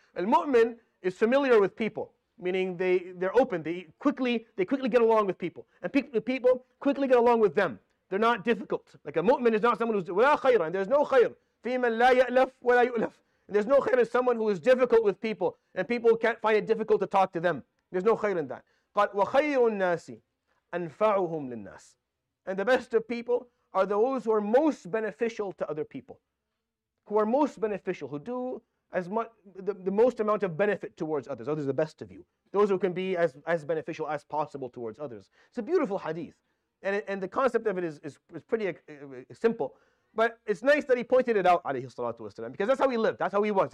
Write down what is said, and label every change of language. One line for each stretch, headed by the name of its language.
English: Al-mu'min is familiar with people, meaning they're open. They quickly get along with people. And people quickly get along with them. They're not difficult. Like a mu'min is not someone who's
Arabic: wala khayra,
English: and there's no khayr.
Arabic: Fiman la ya'laf wa la yu'laf.
English: There's no khayr in someone who is difficult with people, and people can't find it difficult to talk to them. There's no khayr in that.
Arabic: قال وخير الناس أنفعهم للناس.
English: And the best of people are those who are most beneficial to other people, who are most beneficial, who do as much the most amount of benefit towards others. Others are the best of you. Those who can be as beneficial as possible towards others. It's a beautiful hadith, and the concept of it is pretty simple, but it's nice that he pointed it out,
Arabic: alayhi salatu wasalam,
English: because that's how he lived. That's how he was.